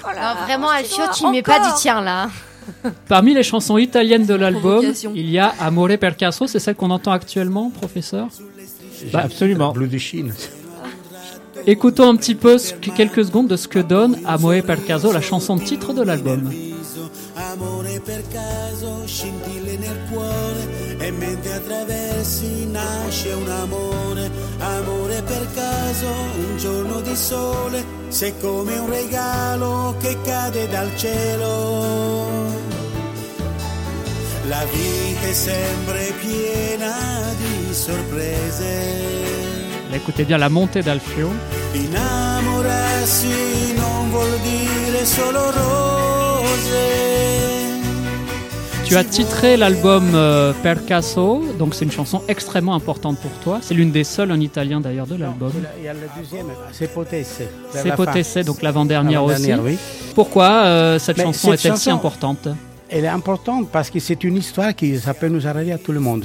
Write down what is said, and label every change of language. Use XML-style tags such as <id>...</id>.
<fr>Oh là, vraiment, Alfio, tu ne mets pas du tien là. Parmi les chansons italiennes de l'album, il y a Amore per caso. C'est celle qu'on entend actuellement, professeur. Bah, absolument. Blue de Chine. Écoutons un petit peu quelques secondes de ce que donne Amore per caso, la chanson de titre de l'album.</fr> <it>Amore per caso, scintille nel cuore, e mentre attraversi nasce un amore. Amore per caso, un giorno di sole, sei come un regalo che cade dal cielo. La vita è sempre piena di sorprese. Écoutez bien la montée d'Alfio. Innamorarsi non vuol dire solo rose.</it> <fr>Tu as titré l'album Per Caso, donc c'est une chanson extrêmement importante pour toi. C'est l'une des seules en italien d'ailleurs de l'album. Il y a la deuxième, C'est Potesse. C'est Potesse, donc l'avant-dernière aussi. Oui. Pourquoi cette chanson est-elle si importante ? Elle est importante parce que c'est une histoire qui ça peut nous arriver à tout le monde.</fr>